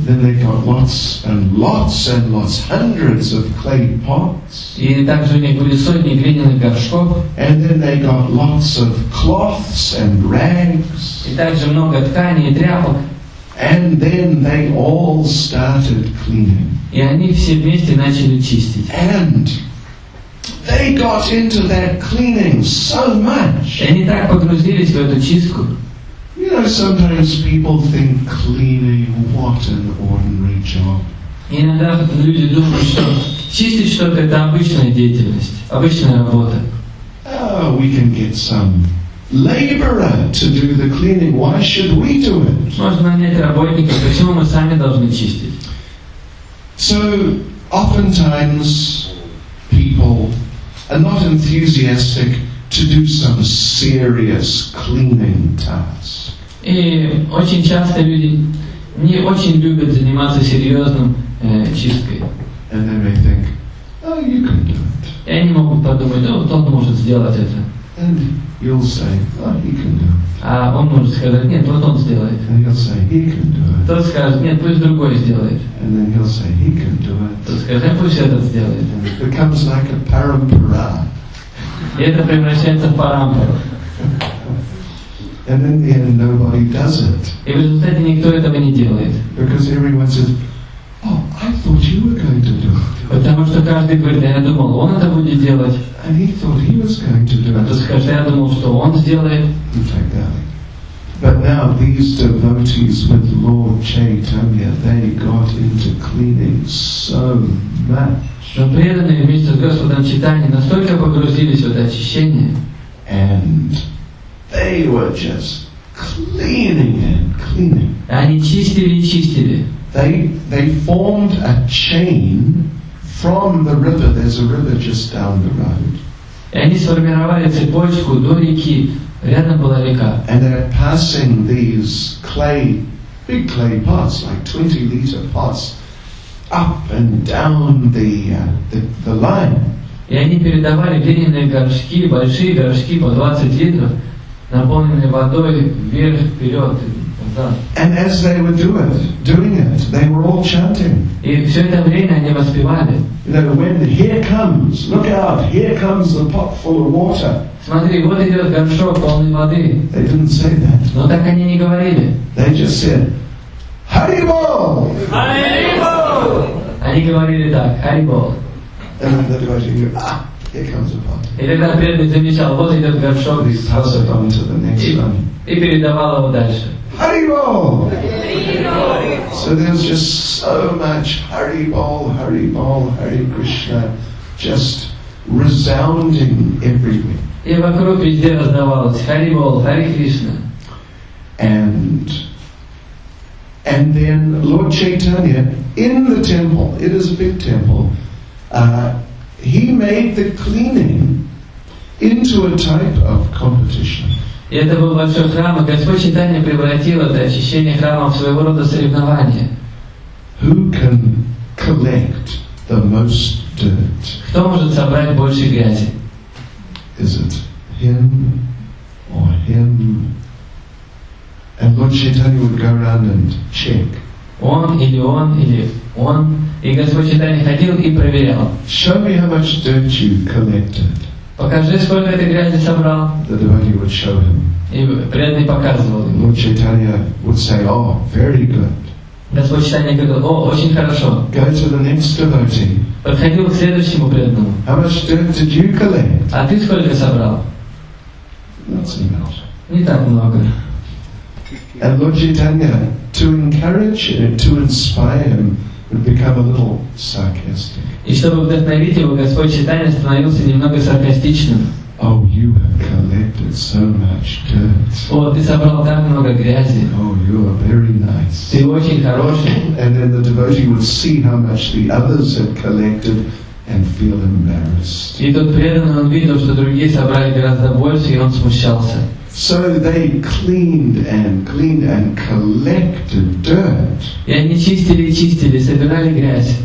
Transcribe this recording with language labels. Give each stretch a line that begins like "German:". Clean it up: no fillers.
English: Then they got lots and lots and lots, hundreds of clay pots.
Russian: И также у них были сотни глиняных горшков.
English: And then they got lots of cloths and rags.
Russian: И также много тканей и тряпок.
English: And then they all started cleaning.
Russian: И они все вместе начали чистить.
English: And they got into that cleaning so much.
Russian: И они так погрузились в эту чистку.
English: You know, sometimes people think cleaning, what an ordinary job.
Russian: И иногда люди думают, что чистить что-то — это обычная деятельность, обычная работа.
English: Oh, we can get some laborer to do the cleaning. Why should we do it?
Russian: Можно нанять работника, почему мы сами должны чистить?
English: So, oftentimes, people are not enthusiastic to do some serious cleaning tasks.
Russian: И очень часто люди не очень любят заниматься серьезным чисткой.
English: And they may think, oh, you can do it.
Russian: И они могут подумать, ну, тот может сделать это.
English: And you'll say, oh, he can do it.
Russian: А он может сказать, нет, вот он сделает.
English: And he'll say, he can do it.
Russian: Тот скажет, нет, пусть другой сделает.
English: And then he'll say, he can do it.
Russian: Тот скажет, нет, пусть этот сделает.
English: And it becomes like a parampara.
Russian: И это превращается в парампару.
English: And in the end, nobody does it.
Russian: И в результате никто этого не делает.
English: Because everyone says, oh, I thought you were going to do it.
Russian: Потому что каждый говорит, да я думал, он это будет делать.
English: And he thought he was going to do it.
Russian: А то скажет, я думал, что он сделает.
English: In fact, but now these devotees with Lord Chaitanya, they got into cleaning so much.
Russian: Но преданные вместе с Господом Чайтаньей настолько погрузились в это очищение.
English: And they were just cleaning and cleaning.
Russian: Они чистили и чистили.
English: They formed a chain from the river. There's a river just down the road.
Russian: И они сформировали цепочку до реки. Рядом была река.
English: And they're passing these clay, big clay pots, like 20-liter pots, up and down the line.
Russian: И они передавали глиняные горшки, большие горшки по 20 литров, наполненные водой вверх, вперед.
English: And as they were doing it, they were all chanting.
Russian: И все это время они воспевали.
English: You know, when here comes, look out, here comes the pot full of water.
Russian: Смотри, вот идет горшок полный воды.
English: They didn't say that.
Russian: Но так они не говорили.
English: They just said, Hari Bol! Hari Bol!
Russian: Они говорили так, Hari Bol.
English: And then the devotee knew, ah, here comes the pot.
Russian: И тогда преданный замечал, вот идет горшок.
English: He tells it on to the next one.
Russian: И передавал его дальше.
English: Hari Bol! So there's just so much Hari Bol, Hari Bol, Hari Krishna, just resounding everywhere.
Russian: И вокруг везде раздавалось Hari Bol, Hari Krishna.
English: And then Lord Chaitanya, in the temple, it is a big temple, he made the cleaning into a type of competition.
Russian: И это был большой храм, и Господь Чайтанья превратил это очищение храма в своего рода соревнование.
English: Who can collect the most dirt?
Russian: Кто может собрать больше грязи?
English: Is it him or him? And Lord Chaitanya would go around and check.
Russian: Он или он или он. И Господь Чайтанья ходил и проверял.
English: Show me how much dirt you collected.
Russian: Покажи, сколько ты грязи собрал.
English: The devotee would show him.
Russian: И преданный показывал.
English: Lord Chaitanya would say, oh, very good.
Russian: Господь Чайтанья говорил, о, очень хорошо.
English: Go to the next devotee.
Russian: Подходи к следующему преданному.
English: How much dirt did you collect?
Russian: А ты сколько собрал?
English: Not so much.
Russian: Не так много.
English: And Lord Chaitanya, to encourage him, to inspire him, would become a little sarcastic.
Russian: И чтобы вдохновить его, Господь Чайтанья становился немного саркастичным.
English: Oh, you have collected so much dirt.
Russian: О, ты собрал так много грязи.
English: Oh, you are very nice.
Russian: Ты очень хороший.
English: And then the devotee would see how much the others had collected and feel embarrassed.
Russian: И тот преданный, он видел, что другие собрали гораздо больше, и он смущался.
English: So they cleaned and cleaned and collected dirt.
Russian: И они чистили и чистили, собирали грязь.